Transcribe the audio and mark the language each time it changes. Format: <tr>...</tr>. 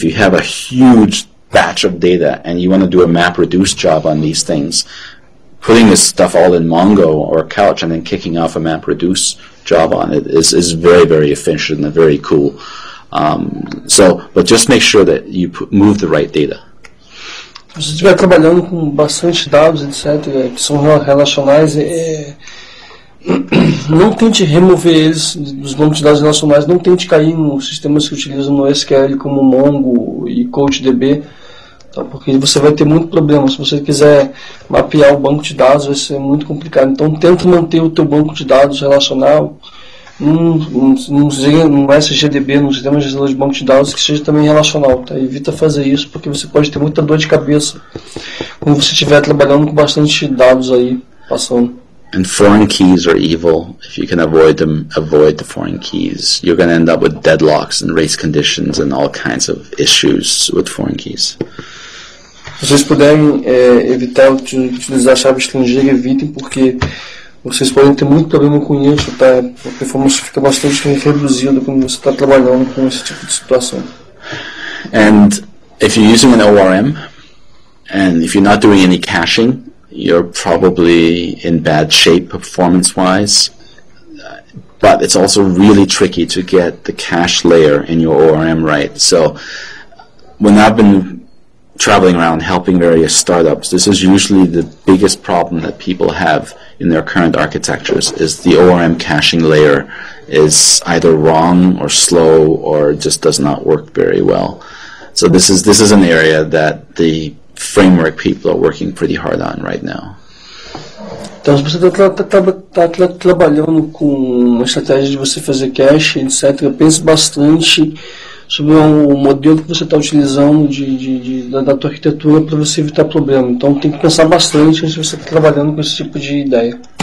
<en>If you have a huge batch of data and you want to do a map reduce job on these things, putting this stuff all in Mongo or Couch and then kicking off a map reduce job on it is very, very efficient and very cool. But just make sure that you move the right data.</en> <pt>Se você estiver trabalhando com bastante dados, etc., que são relacionais, não tente remover eles dos bancos de dados relacionais, não tente cair em sistemas que utilizam NoSQL como Mongo e CouchDB, tá? Porque você vai ter muito problema. Se você quiser mapear o banco de dados, vai ser muito complicado. Então, tenta manter o teu banco de dados relacional num SGDB, num sistema de gestão de banco de dados que seja também relacional, tá? Evita fazer isso, porque você pode ter muita dor de cabeça quando você estiver trabalhando com bastante dados aí passando.</pt> <en>And foreign keys are evil. If you can avoid them, avoid the foreign keys. You're going to end up with deadlocks and race conditions and all kinds of issues with foreign keys.</en> <pt>Se vocês puderem evitar utilizar chave estrangeira, evitem, porque vocês podem ter muito problema com isso, tá? A performance fica bastante reduzida quando você está trabalhando com esse tipo de situação.</pt> <en>And if you're using an ORM, and if you're not doing any caching, you're probably in bad shape performance-wise. But it's also really tricky to get the cache layer in your ORM right. So when I've been traveling around helping various startups, this is usually the biggest problem that people have in their current architectures, is the ORM caching layer is either wrong or slow or just does not work very well. So this is an area that the framework people are working pretty hard on right now.</en> <pt>Então, se você está trabalhando com uma estratégia de você fazer cache, etc., pense bastante sobre o modelo que você está utilizando da tua arquitetura para você evitar problemas. Então, tem que pensar bastante se você está trabalhando com esse tipo de ideia.</pt>